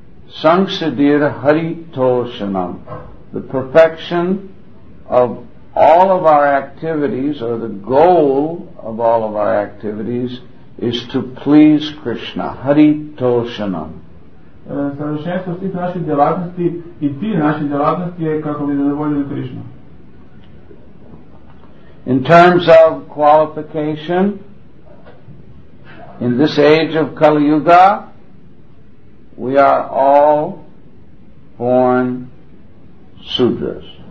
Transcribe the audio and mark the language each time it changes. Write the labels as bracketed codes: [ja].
[en] Sanksadir Hari Toshanam, the perfection of all of our activities, or the goal of all of our activities, is to please Krishna. Hari Toshanam. [hr] Savršenstvo svih naših djelatnosti i cilj naših djelatnosti je kako bi zadovoljili Krishna. [en] In terms of qualification, in this age of Kali Yuga, we are all born Sudras.